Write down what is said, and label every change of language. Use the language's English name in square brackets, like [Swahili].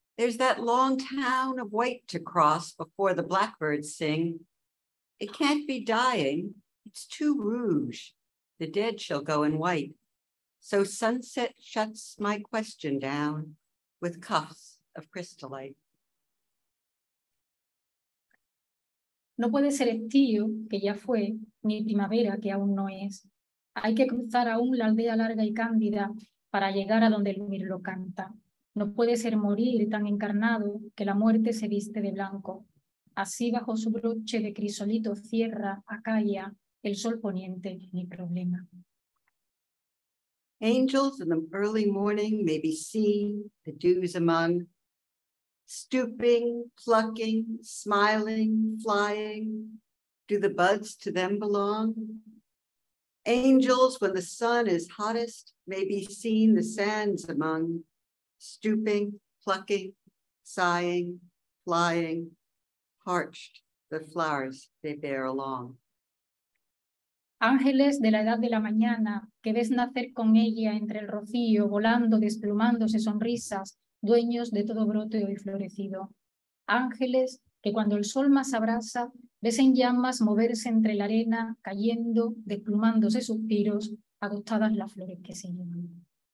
[English] There's that long town of white to cross before the blackbirds sing. It can't be dying. It's too rouge. The dead shall go in white. So sunset shuts my question down with cuffs of crystallite. [Spanish] No puede ser estío, que ya fue, ni primavera, que aún no es. Hay que cruzar aún la aldea larga y cándida para llegar a donde el mirlo canta. No puede ser morir tan encarnado que la muerte se viste de blanco. Así bajo su broche de crisolito cierra, acalla, el sol poniente, mi problema. [English] Angels in the early morning may be seen, the dews among, stooping, plucking, smiling, flying. Do the buds to them belong? Angels, when the sun is hottest, may be seen the sands among, stooping, plucking, sighing, flying, parched the flowers they bear along. [Spanish] Ángeles de la edad de la mañana, que ves nacer con ella entre el rocío, volando, desplumándose sonrisas, dueños de todo brote hoy florecido. Ángeles que cuando el sol más abrasa, ves en llamas moverse entre la arena, cayendo, desplumándose suspiros, agotadas las flores que se llevan.